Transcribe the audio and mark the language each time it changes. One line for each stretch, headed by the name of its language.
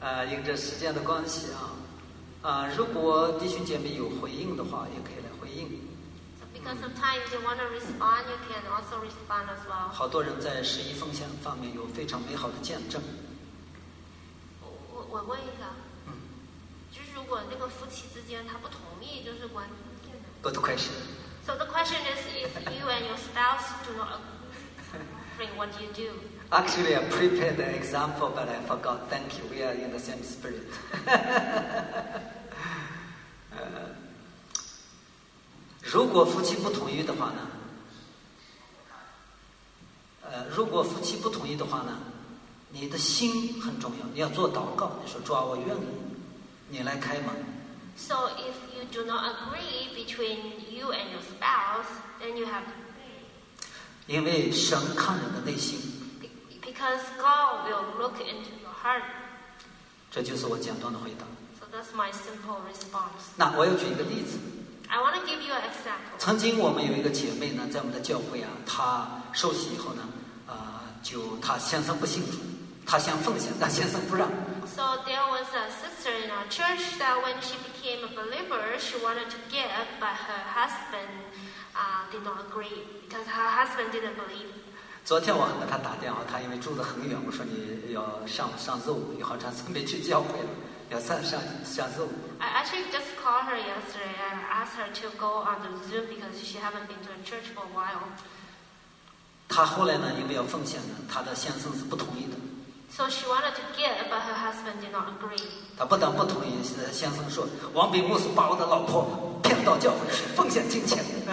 Chinese: 因着时间的关系啊，如果弟兄姐妹有回应的话，也可以来回应。
English: So because of time, if you want to respond, you can also respond as well.
Chinese: 好多人在十一奉献方面有非常美好的见证。我问一下，就是如果那个夫妻之间他不同意，就是关键
English: 的。Good question. So the question is, if you and your spouse do not agree, what do you do? Actually, I prepared an example, but I forgot. Thank you. We are in the same spirit.
Chinese: 如果夫妻不同意的话呢？如果夫妻不同意的话呢？你的心很重要，你要做祷告。你说主啊，我愿意，你来开门。
English: So if you do not agree between you and your spouse, then you have.
Chinese: 因为神看人的内心。
English: Because God will look into your heart.
Chinese: 这就是我简短的回答。
English: So that's my simple response.
Chinese: 那我要举一个例子。
English: I want to give you an example.
Chinese: 曾经我们有一个姐妹呢，在我们的教会啊，她受洗以后呢，就她先生不信主，她想奉献，但先生不让。
English: So there was a sister in our church that when she became a believer, she wanted to give, but her husband did not agree because her husband didn't believe.
Chinese: 昨天我给他打电话，他因为住得很远，我说你要上周五，你好长时间没去教会了，要上周五。
English: I actually just called her yesterday and asked her to go on the Zoom because she haven't been to a church for a while.
Chinese: 他后来呢，因为要奉献呢，他的先生是不同意的。
English: So she wanted to give, but her husband did not agree.
Chinese: 他不但不同意，现在先生说，王炳牧师把我的老婆骗到教会去奉献金钱。